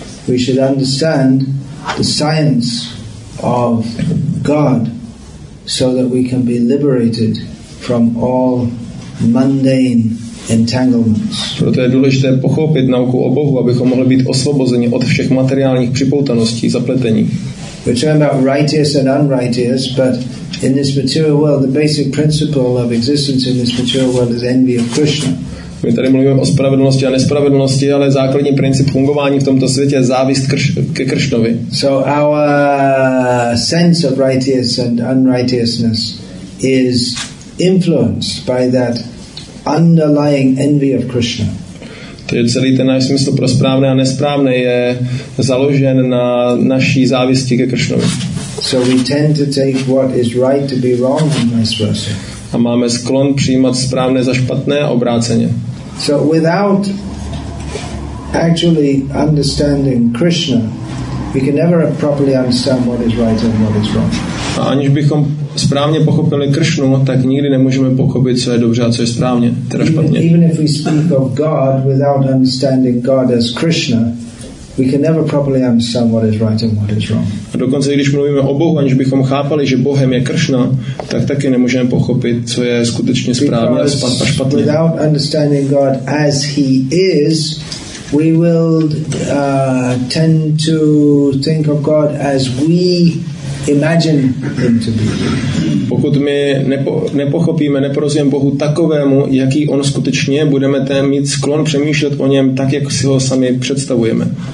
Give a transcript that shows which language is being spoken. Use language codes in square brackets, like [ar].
[en] We should understand the science of God so that we can be liberated from all mundane entanglements. [cs] Proto je důležité pochopit nauku o Bohu, abychom mohli být osvobozeni od všech materiálních připoutaností, zapletení. [en] We're talking about righteous and unrighteous, but in this material world, the basic principle of existence in this material world is envy of Krishna. [cs] My tady mluvíme o spravedlnosti a nespravedlnosti, ale základní princip fungování v tomto světě je závist ke Krishnovi. [en] So our sense of righteous and unrighteousness is influenced by that underlying envy of Krishna. [cs] To je celý ten náš smysl pro správné a nesprávné je založen na naší závisti ke Krishnovi. [en] So we tend to take what is right to be wrong and vice versa. [cs] A máme sklon přijímat správné za špatné a obráceně. [en] So without actually understanding Krishna, we can never properly understand what is right and what is wrong. [cs] A aniž bychom správně pochopili Kršnu, tak nikdy nemůžeme pochopit, co je dobře a co je správně, teda špatně. [en] Even if we speak of God without understanding God as Krishna, we can never properly understand what is right and what is wrong. [cs] A dokonce i když mluvíme o Bohu, aniž bychom chápali, že Bohem je Kršna, tak taky nemůžeme pochopit, co je skutečně správně a špatně. [en] Without understanding God as he is, we will tend to think of God as we imagine him to be. [cs] Pokud my nepochopíme, neporozumíme Bohu takovému, jaký on skutečně, budeme tam mít sklon přemýšlet o něm tak, jak si ho sami představujeme.